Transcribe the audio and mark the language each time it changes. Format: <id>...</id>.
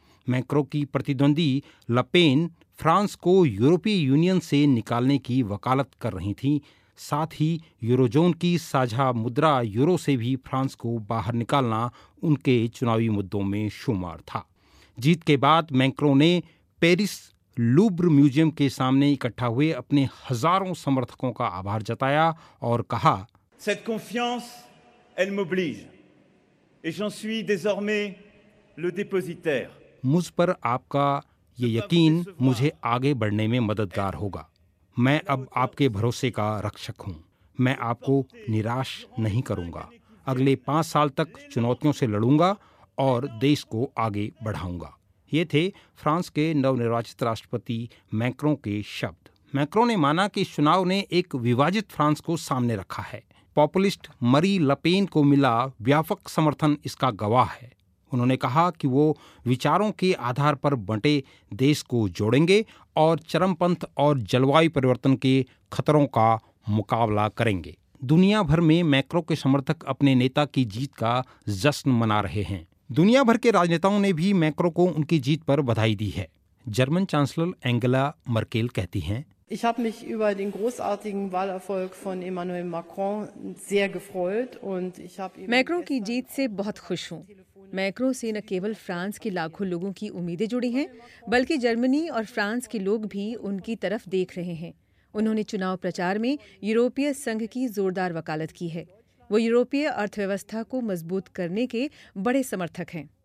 <hi>Macron की प्रतिद्वंदी लपेन France को यूरोपीय यूनियन से निकालने की वकालत कर रही थी, साथ ही यूरोजोन की साझा मुद्रा यूरो से भी फ्रांस को बाहर निकालना उनके चुनावी मुद्दों में शुमार था। जीत के बाद मैक्रों ने पेरिस लूब्र म्यूजियम के सामने इकट्ठा हुए अपने हजारों समर्थकों का आभार जताया और कहा,</hi> <fr>Cette confiance, elle m'oblige, et j'en suis désormais le dépositaire.</fr> <hi>मुझ पर आपका ये यकीन मुझे आगे बढ़ने में मददगार होगा। मैं अब आपके भरोसे का रक्षक हूँ। मैं आपको निराश नहीं करूँगा। अगले 5 साल तक चुनौतियों से लड़ूंगा और देश को आगे बढ़ाऊंगा। ये थे फ्रांस के नवनिर्वाचित राष्ट्रपति मैक्रों के शब्द। मैक्रों ने माना कि इस चुनाव ने एक विभाजित फ्रांस को सामने रखा है। पॉपुलिस्ट मरी लपेन को मिला व्यापक समर्थन इसका गवाह है। उन्होंने कहा कि वो विचारों के आधार पर बंटे देश को जोड़ेंगे और चरमपंथ और जलवायु परिवर्तन के खतरों का मुकाबला करेंगे। दुनिया भर में मैक्रों के समर्थक अपने नेता की जीत का जश्न मना रहे हैं। दुनिया भर के राजनेताओं ने भी मैक्रों को उनकी जीत पर बधाई दी है। जर्मन चांसलर एंगेला मर्केल कहती हैं,</hi> <de>Ich habe mich über den großartigen Wahlerfolg von Emmanuel Macron sehr gefreut und ich habe</de> <hi>Macron की जीत से बहुत खुश हूँ। मैक्रों से न केवल फ्रांस के लाखों लोगों की उम्मीदें जुड़ी हैं बल्कि जर्मनी और फ्रांस के लोग भी उनकी तरफ देख रहे हैं। उन्होंने चुनाव प्रचार में यूरोपीय संघ की जोरदार वकालत की है। वो यूरोपीय अर्थव्यवस्था को मजबूत करने के बड़े समर्थक हैं।</hi>